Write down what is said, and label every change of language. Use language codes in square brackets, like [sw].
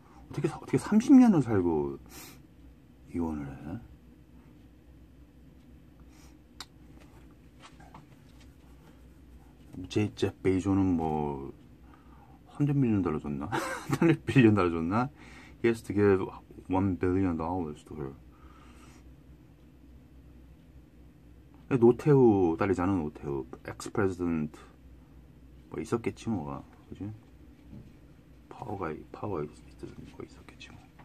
[ko] 어떻게 30년을 살고 이혼을 해? 제 베이조는 뭐 $100 million 줬나? $100 billion 줬나? [en] He has to give $1 billion to her. [ko] 노태우 딸이잖아, 노태우. 엑스프레지던트 뭐 있었겠지 뭐가, 그지? 파워가 있었던 거 있었겠지 뭐.